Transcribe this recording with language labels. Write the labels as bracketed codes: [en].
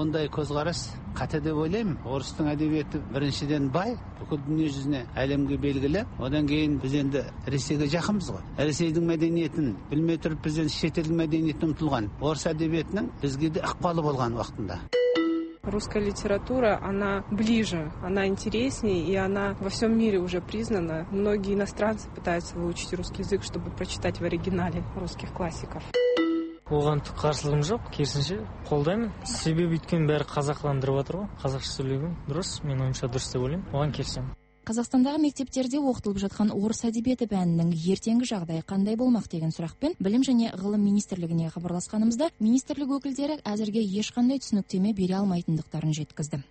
[kk] ондай көзқарас қате деп ойлаймын. Орыстың әдебиеті біріншіден бай, бүкіл дүние жүзіне әлемге белгілі. Одан кейін біз енді Ресейге жақынбыз ғой. Ресейдің мәдениетін білмей тұрып біз енді шетел мәдениетін ұмытылған. Орыс әдебиетінің бізге де ықпалы болған уақытында. [ru] Русская литература, она ближе, она интереснее, и она во всем мире уже признана. Многие иностранцы пытаются выучить русский язык, чтобы прочитать в оригинале русских классиков. [kk] Оған түк қарсылығым жоқ, керісінше қолдаймын. Себебі өйткен бәрі қазақландырып отыр ғой, қазақша сөйлеймін. Дұрыс, мен ойымша дұрыс деп ойлаймын. Оған келісемін. Қазақстандағы мектептерде оқытылып жатқан орыс әдебиеті пәнінің ертеңгі жағдайы қандай болмақ деген сұрақпен білім және ғылым министрлігіне хабарласқанымызда министрлік өкілдері әзірге ешқандай түсініктеме бере алмайтындықтарын жеткізді.